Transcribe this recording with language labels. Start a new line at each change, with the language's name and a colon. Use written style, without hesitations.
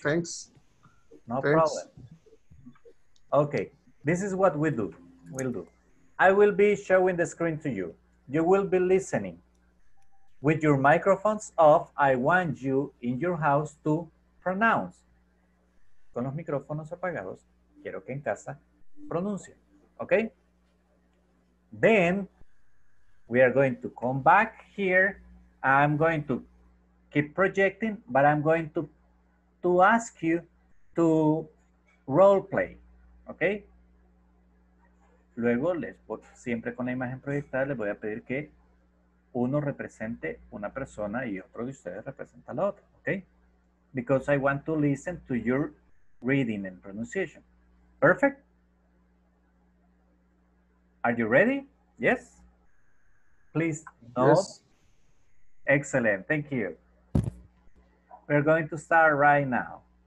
English: Thanks. No problem. Okay, this is what we do. We'll do. I will be showing the screen to you. You will be listening. With your microphones off, I want you in your house to pronounce.
Spanish: Con los micrófonos apagados, quiero que en casa pronuncie.
English: Okay? Then, we are going to come back here. I'm going to keep projecting, but I'm going to ask you to role play. Okay?
Spanish: Luego, siempre con la imagen proyectada, les voy a pedir que uno represente una persona y otro de ustedes representa la otra, okay?
English: Because I want to listen to your reading and pronunciation. Perfect? Are you ready? Yes? Please, no? Yes. Excellent, thank you. We're going to start right now.